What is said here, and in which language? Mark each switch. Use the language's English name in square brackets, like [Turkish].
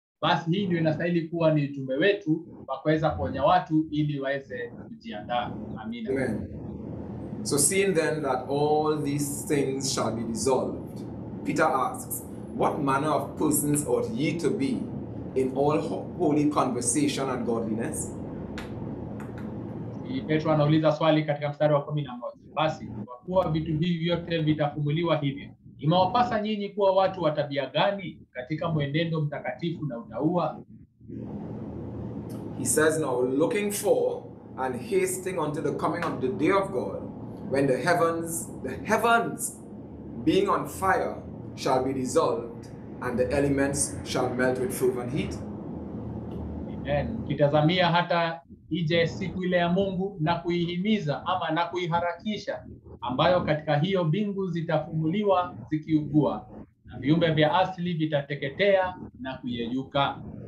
[Swahili] Basi hii ndio inastahili kuwa ni ujumbe wetu wa kuweza kuonya watu ili waweze kujiandaa. Amina. [English] Amen. So seeing then that all these things shall be dissolved, Peter asks, what manner of persons ought ye to be in all holy conversation and godliness? [Swahili] Petro anauliza swali katika mstari wa 11. Basi, kwa kuwa vitu hivi vyote vitafumuliwa hivyo, imewapasa nyinyi kuwa watu wa tabia gani katika mwenendo mtakatifu na utaua? [English] He says, now looking for and hasting unto the coming of the day of God, when the heavens being on fire shall be dissolved, and the elements shall melt with fervent heat. [Swahili] Amen. Kitazamia hata ije siku ile ya Mungu na kuihimiza ama na kuiharakisha, ambayo katika hiyo mbingu zitafumuliwa zikiugua, na viumbe vya asili vitateketea na kuyeyuka.